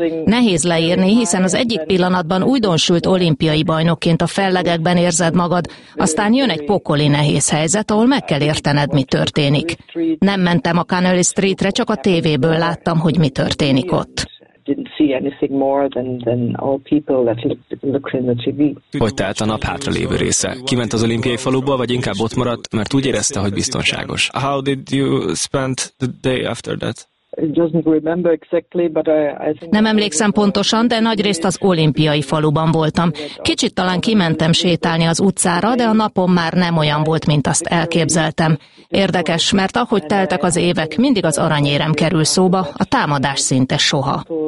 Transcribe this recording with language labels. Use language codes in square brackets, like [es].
[hu] Nehéz leírni, hiszen az egyik pillanatban újdonsült olimpiai bajnokként a fellegekben érzem magad, aztán jön egy pokoli nehéz helyzet, ahol meg kell értened, mi történik. Nem mentem a Canal Streetre, csak a tévéből láttam, hogy mi történik ott. Hogy telt a nap hátralévő része? Kiment az olimpiai faluba, vagy inkább ott maradt, mert úgy érezte, hogy biztonságos? [en] How did you spend the day after that? [hu] Nem emlékszem pontosan, de nagyrészt az olimpiai faluban voltam. Kicsit talán kimentem sétálni az utcára, de a napom már nem olyan volt, mint azt elképzeltem. Érdekes, mert ahogy teltek az évek, mindig az aranyérem kerül szóba, a támadás szinte soha.